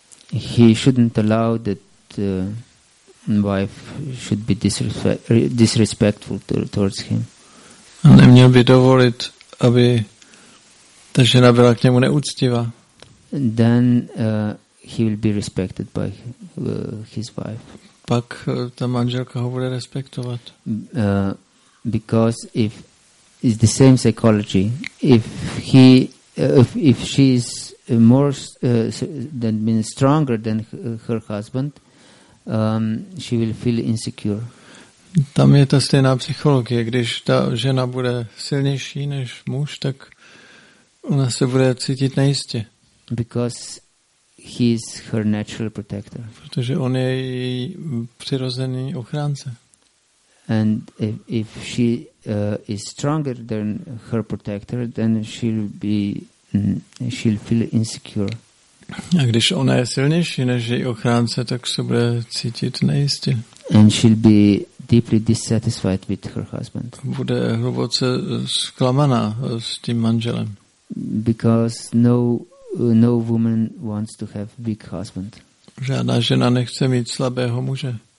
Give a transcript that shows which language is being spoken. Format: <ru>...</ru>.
<en>He shouldn't allow that wife should be disrespectful towards him.</en> <cs>A neměl by dovolit, aby ta žena byla k němu neúctivá.</cs> <en>Then he will be respected by his wife.</en> <cs>Pak ta manželka ho bude respektovat.</cs> <en>Because if it's the same psychology, if she is more than means stronger than her husband, she will feel insecure.</en> <cs>Tam je ta stejná psychologie, když ta žena bude silnější než muž, tak ona se bude cítit nejistě.</cs> <en>Because he is her natural protector.</en> <cs>Protože on je její přirozený ochránce.</cs> <en>And if she is stronger than her protector, then she'll feel insecure.</en> <cs>A když ona je silnější než její ochránce, tak se bude cítit nejistě.</cs> <en>And she'll be deeply dissatisfied with her husband.</en> <cs>Bude hluboce zklamaná s tím manželem.</cs> <en>Because no woman wants to have weak husband.</en> <cs>Žádná žena nechce mít slabého muže.</cs>